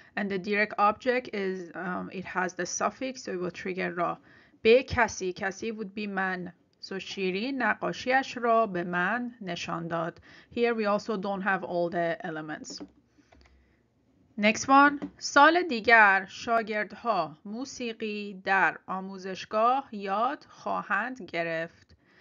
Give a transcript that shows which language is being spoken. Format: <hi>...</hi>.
<en>And the direct object is it has the suffix, so it will trigger را.</en> <fa>به کسی. کسی</fa> <en>would be</en> <fa>من. So شیرین نقاشیش را به من نشان داد.</fa> <en>Here we also don't have all the elements. Next one.</en> <fa>سال دیگر شاگردها موسیقی در آموزشگاه یاد خواهند گرفت.</fa>